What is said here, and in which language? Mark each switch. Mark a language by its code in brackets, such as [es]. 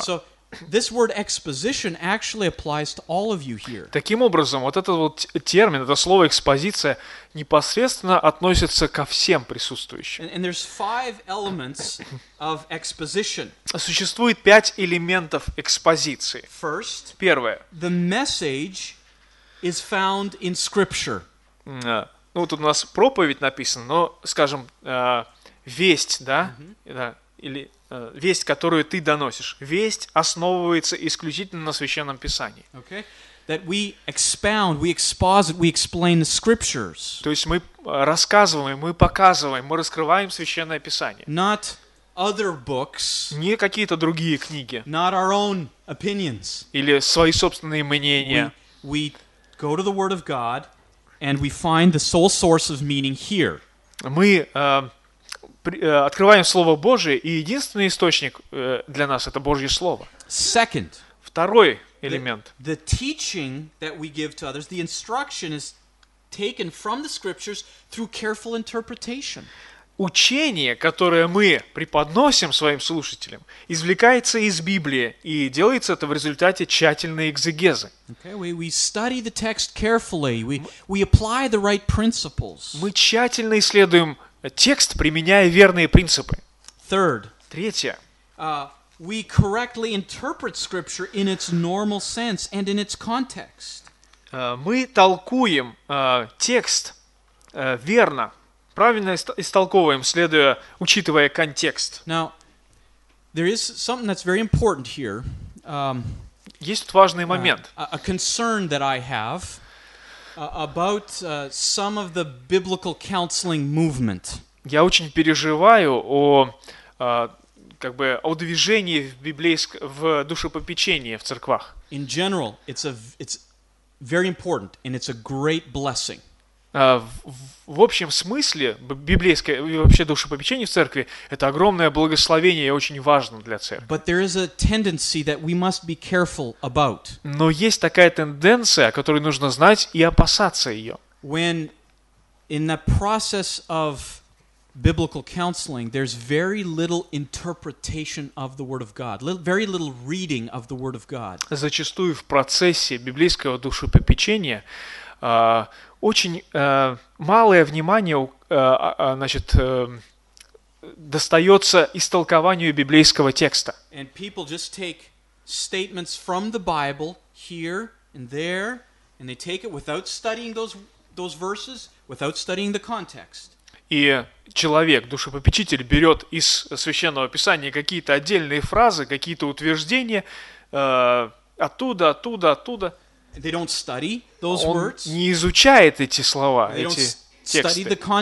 [en] So, this word exposition actually applies to all of you here. [ru] Таким образом, вот этот вот термин, это слово экспозиция непосредственно относится ко всем присутствующим. [en] And there's five elements of exposition. [ru] Существует пять элементов экспозиции. [en] First, [ru] первое. [en] The message is found in Scripture. [ru] Ну, тут у нас проповедь написана, но, скажем, весть, да? Mm-hmm. Да. Или весть, которую ты доносишь, весть основывается исключительно на Священном Писании. [en] Okay. That we expound, we exposit, we explain the scriptures. [ru] То есть мы рассказываем, мы показываем, мы раскрываем Священное Писание. [en] Not other books. [ru] Не какие-то другие книги. [en] Not our own opinions. [ru] Или свои собственные мнения. [en] We go to the Word of God, and we find the sole source of meaning here. [ru] Мы открываем Слово Божие, и единственный источник для нас — это Божье Слово. [en] Second, [ru] второй элемент. [en] The teaching that we give to others, the instruction is taken from the scriptures through careful interpretation. [ru] Учение, которое мы преподносим своим слушателям, извлекается из Библии, и делается это в результате тщательной экзегезы. [en] Okay, we study the text carefully, we apply the right principles. [ru] Мы тщательно исследуем текст, применяя верные принципы. [en] Third. [ru] Третье. [en] We correctly interpret Scripture in its normal sense and in its context. [ru] Мы толкуем текст верно, правильно истолковываем, следуя, учитывая контекст. [en] Now, there is something that's very important here. [ru] Есть тут важный момент. [en] A concern that I have about some of the biblical counseling movement. [ru] Я очень переживаю о как бы о движении в душепопечении в церквах. [en] In general, it's very important and it's a great blessing. [ru] В общем смысле, библейское и вообще душепопечение в церкви — это огромное благословение и очень важно для церкви. [en] But there is a tendency that we must be careful about. [ru] Но есть такая тенденция, о которой нужно знать и опасаться ее. [en] When in the process of biblical counseling, there's very little interpretation of the Word of God, very little reading of the Word of God. [ru] Зачастую в процессе библейского душепопечения очень малое внимание достается истолкованию библейского текста. [en] And people just take statements from the Bible here and there, and they take it without studying those verses, without studying the context. [ru] И человек, душепопечитель, берет из Священного Писания какие-то отдельные фразы, какие-то утверждения, оттуда, оттуда, оттуда. [en] They don't study those words. [ru] Он не изучает эти слова, эти тексты.